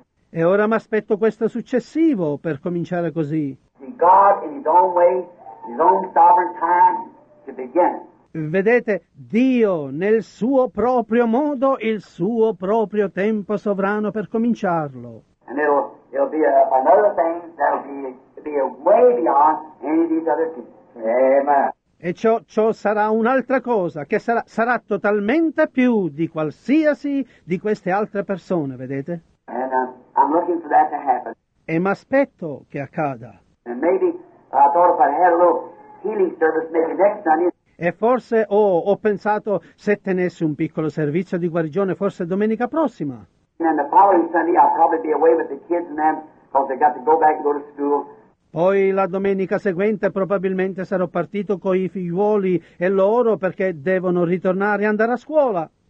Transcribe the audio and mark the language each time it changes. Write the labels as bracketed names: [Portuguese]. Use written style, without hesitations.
[Italian] E ora mi aspetto questo successivo per cominciare così. [English] God in his own way, his own sovereign time to begin. [Italian] Vedete, Dio nel suo proprio modo, il suo proprio tempo sovrano per cominciarlo. [English] And it'll be another thing that'll be way beyond any of these other people. Amen. [Italian] E ciò sarà un'altra cosa, che sarà totalmente più di qualsiasi di queste altre persone, vedete? [English] And I'm looking for that to happen. [Italian] E mi aspetto che accada. [English] And maybe I thought if I had a little healing service maybe next Sunday. [Italian] E forse ho pensato, se tenessi un piccolo servizio di guarigione, forse domenica prossima. [English] And the following Sunday I'll probably be away with the kids and them, because they got to go back and go to school. [Italian] Poi la domenica seguente probabilmente sarò partito con i figliuoli e loro perché devono ritornare e andare a scuola.